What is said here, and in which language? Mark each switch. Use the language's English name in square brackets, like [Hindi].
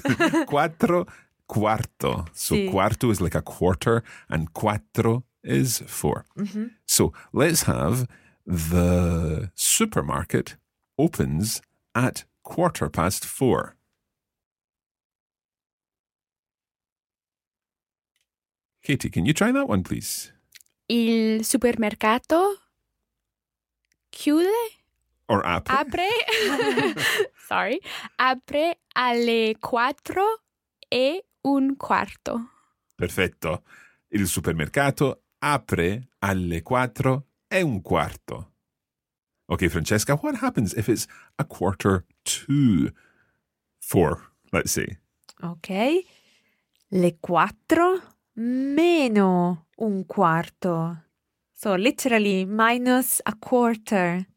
[English] 4:15. So sì. 4 is like a quarter and 4 is 4. Mm-hmm. So let's have the supermarket opens at 4:15. Katie, can you try that one, please? [Italian] Il supermercato chiude? Or apre? Apre. Sorry. Apre alle 4:15. Perfetto. Il supermercato apre alle 4:15. [English] Okay, Francesca, what happens if it's 4:15, let's say? [Italian] Okay. Le 4:15. [English] So literally minus 4:15.